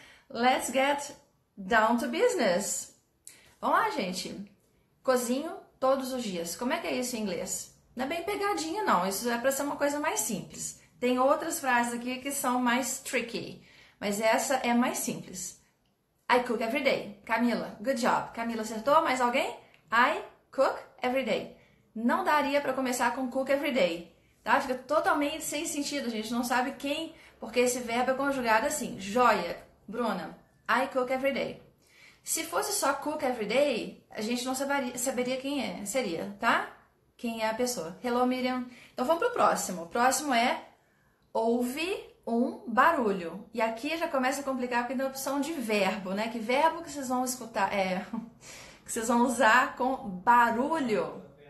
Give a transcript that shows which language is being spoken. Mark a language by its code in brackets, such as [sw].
[en] Let's get down to business. [pt] Vamos lá, gente. Cozinho todos os dias. Como é que é isso em inglês? Não é bem pegadinha, não. Isso é para ser uma coisa mais simples. Tem outras frases aqui que são mais tricky, mas essa é mais simples. [en] I cook every day. Camila, good job. Camila, [pt] acertou? Mais alguém? [en] I cook every day. [pt] Não daria para começar com [en] cook every day, [pt] tá? Fica totalmente sem sentido, a gente não sabe quem, porque esse verbo é conjugado assim. [en] Joia, Bruna, I cook every day. [pt] Se fosse só [en] cook every day, [pt] a gente não saberia quem é, seria, tá? Quem é a pessoa? Hello, Miriam. Então vamos pro próximo. O próximo é houve um barulho. E aqui já começa a complicar porque tem a opção de verbo, né? Que verbo que vocês vão escutar, que vocês vão usar com barulho?